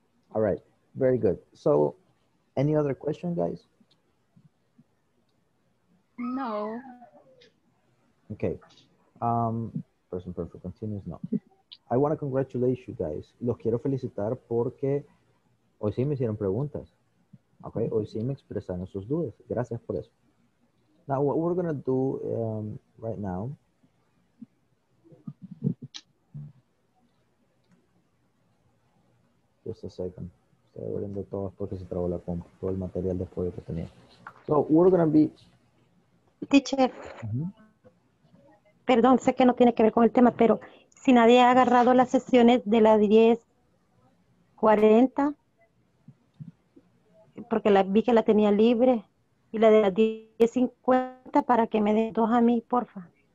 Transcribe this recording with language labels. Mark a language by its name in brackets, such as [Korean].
[English] All right, very good. So, any other question, guys? No. Okay. Person perfect continues, no. I want to congratulate you guys. [Spanish] Los quiero felicitar porque hoy sí me hicieron preguntas. Okay, hoy sí me expresaron sus dudas. Gracias por eso. [English] Now, what we're going to do right now, just a second. [Spanish] Estoy abriendo todo porque se trabó la compu, todo el material de apoyo que tenía. [English] So, we're going to be... Teacher. [Spanish] Perdón, sé que no tiene que ver con el tema, pero si nadie ha agarrado las sesiones de las 10:40, porque la, vi que la tenía libre, y la de las 10:50, para que me dé dos a mí, porfa.